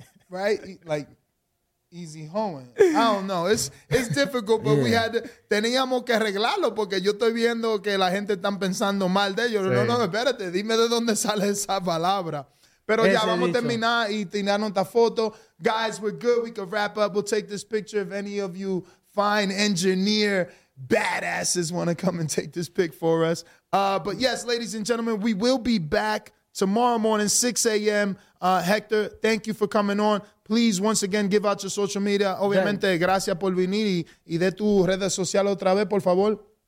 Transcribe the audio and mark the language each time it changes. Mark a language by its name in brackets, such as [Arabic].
[English] Right? Like... Easy hoeing. I don't know. It's difficult, but we had to. [Spanish] Teníamos que arreglarlo porque yo estoy viendo que la gente están pensando mal de ellos. Sí. No, espérate. Dime de dónde sale esa palabra. Pero ya vamos a terminar y tirar nuestra foto. [English] Guys, we're good. We can wrap up. We'll take this picture if any of you fine engineer badasses want to come and take this pic for us. But yes, ladies and gentlemen, we will be back tomorrow morning, 6 a.m. Hector, thank you for coming on. Please, once again, give out your social media. [Spanish] Obviamente, yeah. Gracias por venir. Y de tu redes sociales otra vez, por favor.